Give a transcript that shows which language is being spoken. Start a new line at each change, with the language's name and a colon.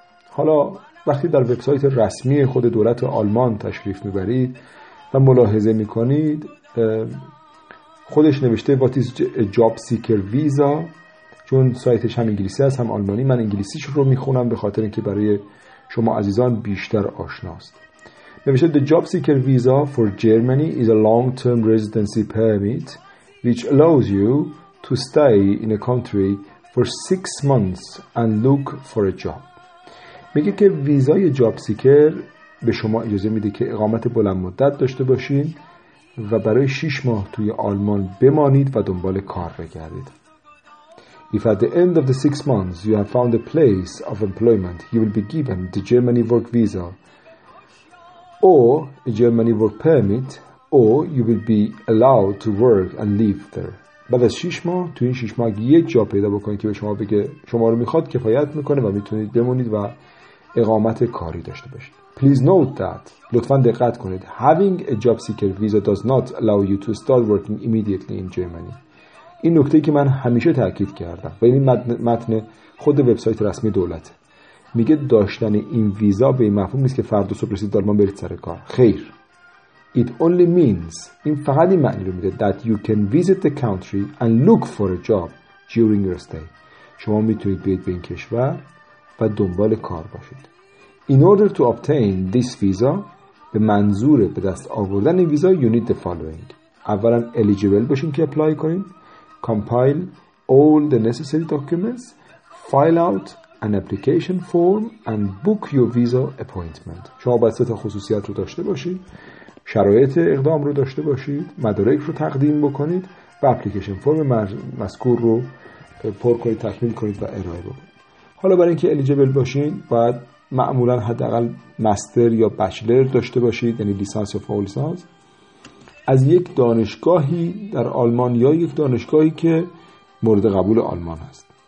Persian: حالا وقتی در وبسایت رسمی خود دولت آلمان تشریف میبرید و ملاحظه میکنید، خودش نوشته What is job seeker visa؟ چون سایتش هم انگلیسی هست هم آلمانی، من انگلیسیش رو میخونم به خاطر اینکه برای شما عزیزان بیشتر آشناست.
English: نوشته The job seeker visa for Germany is a long-term residency permit which allows you to stay in a country for 6 months and look for a job.
Persian: میگه که ویزای جاب سیکر به شما اجازه میده که اقامت بلند مدت داشته باشین و برای 6 ماه توی آلمان بمانید و دنبال کار بگردید.
English: If at the end of the 6 months you have found a place of employment, you will be given the Germany work visa or a Germany work permit or you will be allowed to work and live there.
Persian: بعد از 6 ماه تو این 6 ماه یه جا پیدا بکنید که به شما بگه شما رو میخواد، کفایت میکنه و میتونید بمونید و اقامت کاری داشته باشید.
English: Please note that، لطفاً دقت کنید، having a job seeker visa does not allow you to start working immediately in Germany.
Persian: این نکته که من همیشه تاکید کردم و این متن خود وبسایت رسمی دولت میگه داشتن این ویزا به این مفهوم نیست که فردا صبح رسید آلمان برید سر کار. خیر.
English: It only means، این فقط این معنی رو میده، that you can visit the country and look for a job during your stay.
Persian: شما میتونید بیاید به این کشور و دنبال کار باشید.
English: In order to obtain this visa، به منظور به دست آوردن این ویزا، you need the following. اولا eligible باشین که اپلای کنین، compile all the necessary documents، file out an application form and book your visa appointment.
Persian: شما باید 3 تا خصوصیت رو داشته باشید، شرایط اقدام رو داشته باشید، مدارک رو تقدیم بکنید و اپلیکیشن فرم مذکور رو پر کنید، تکمیل کنید و ارائه بکنید. حالا برای اینکه الیجیبل باشین، باید معمولا حداقل مستر یا بچلر داشته باشید، یعنی لیسانس یا فوق لیسانس از یک دانشگاهی در آلمان یا یک دانشگاهی که مورد قبول آلمان هست.